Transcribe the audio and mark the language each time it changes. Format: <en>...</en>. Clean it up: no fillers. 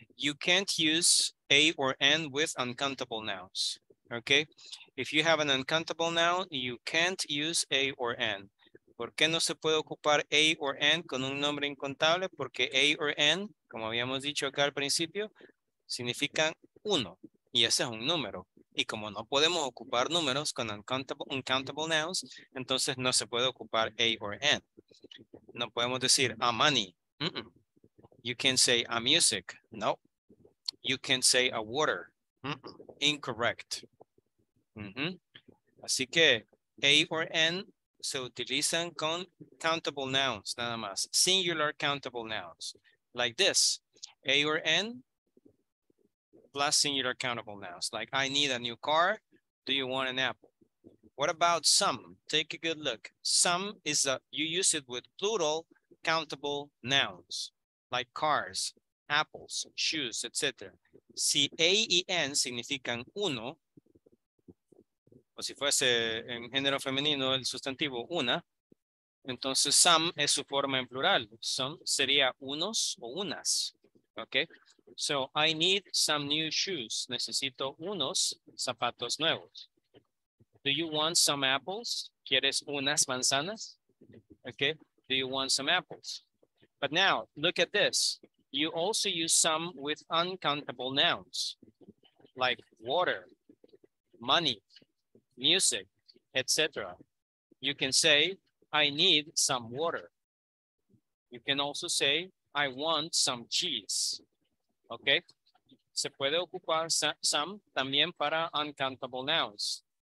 <en>You can't use A or N with uncountable nouns. Okay. If you have an uncountable noun, you can't use A or N.</en> <es>¿Por qué no se puede ocupar A or N con un nombre incontable? Porque A or N, como habíamos dicho acá al principio, significan uno. Y ese es un número. Y como no podemos ocupar números con uncountable nouns, entonces no se puede ocupar A or N. No podemos decir</es> <en>a money. Mm-mm. You can't say a music. No. You can't say a water. Mm-mm. Incorrect. Mm-hmm.</en> <es>Así que A or N se utilizan con countable nouns, nada más.</es> <en>Singular countable nouns. Like this. A or N plus singular countable nouns. Like, I need a new car. Do you want an apple? What about some? Take a good look. Some is a, you use it with plural countable nouns. Like cars, apples, shoes, etc.</en> <es>Si A y N significan uno, o si fuese en género femenino el sustantivo una, entonces some es su forma en plural. Some sería unos o unas. Okay?</es> <en>So I need some new shoes.</en> <es>Necesito unos zapatos nuevos.</es> <en>Do you want some apples?</en> <es>¿Quieres unas manzanas?</es> <en>Okay? Do you want some apples? But now, look at this. You also use some with uncountable nouns, like water, money, music, etc. You can say, I need some water. You can also say, I want some cheese. Okay?</en> <es>Se puede ocupar some también para uncountable nouns.</es>